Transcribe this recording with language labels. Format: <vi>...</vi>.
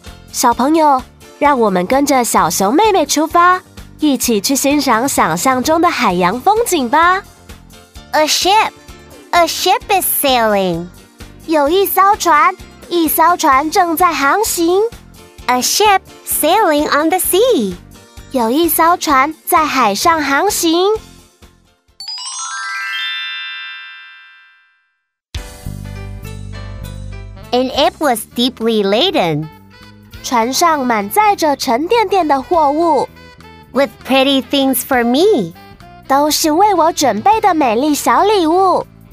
<zh>小朋友，让我们跟着小熊妹妹出发，一起去欣赏想象中的海洋风景吧。</zh> <en>A ship is sailing.</en> <zh>有一艘船，一艘船正在航行。</zh> <en>A ship sailing on the sea.</en> <zh>有一艘船在海上航行。</zh> <en>And it was deeply laden.</en> <zh>船上满载着沉甸甸的货物。</zh> <en>With pretty things for me.</en> <zh>都是为我准备的美丽小礼物。</zh>